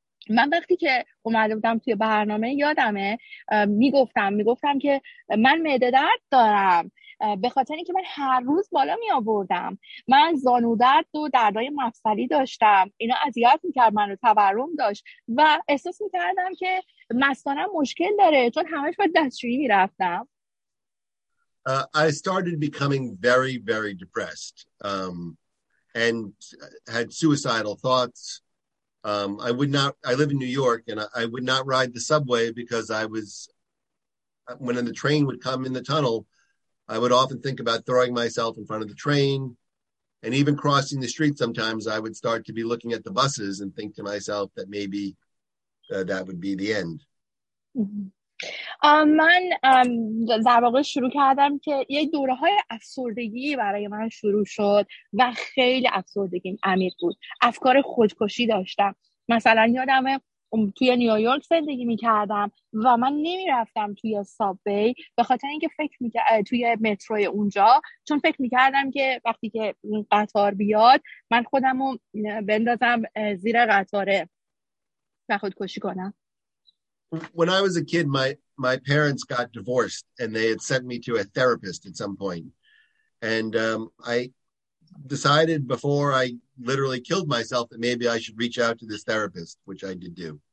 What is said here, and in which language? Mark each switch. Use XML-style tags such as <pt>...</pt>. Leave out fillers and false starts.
<fa>من وقتی که اومده بودم توی برنامه یادمه میگفتم که من معده درد دارم به خاطر اینکه من هر روز بالا می آوردم. من زانو درد و دردای مفصلی داشتم، اینا اذیت میکرد من رو، تورم داشت و احساس میکردم که مثانه‌ام مشکل داره چون همش باید دستشویی میرفتم.</fa> <en>I started becoming very very depressed and had suicidal thoughts. I live in New York and I would not ride the subway because when the train would come in the tunnel, I would often think about throwing myself in front of the train, and even crossing the street sometimes I would start to be looking at the buses and think to myself that maybe that would be the end.</en> <fa>من در واقع شروع کردم که یه دوره های افسردگی برای من شروع شد و خیلی افسردگیم عمیق بود. افکار خودکشی داشتم. مثلا یادمه توی نیویورک زندگی میکردم و من نمیرفتم توی سابوی به خاطر اینکه فکر میکردم توی مترو اونجا، چون فکر میکردم که وقتی که قطار بیاد من خودمو بندازم زیر قطاره و خودکشی کنم.</fa> <en>When I was a kid, my parents got divorced and they had sent me to a therapist at some point. And I decided before I literally killed myself that maybe I should reach out to this therapist, which I did do.</en>